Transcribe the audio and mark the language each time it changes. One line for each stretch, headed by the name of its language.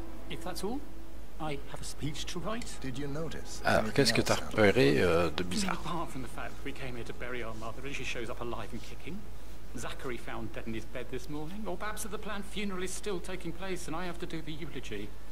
English: If that's all, I have a speech to write. Did you notice?
French: Alors, qu'est-ce que t'as repéré de bizarre?
English: Apart from the fact that we came here to bury our mother and she shows up alive and kicking. Zachary found dead in his bed this morning. Or perhaps the planned funeral is still taking place and I have to do the eulogy.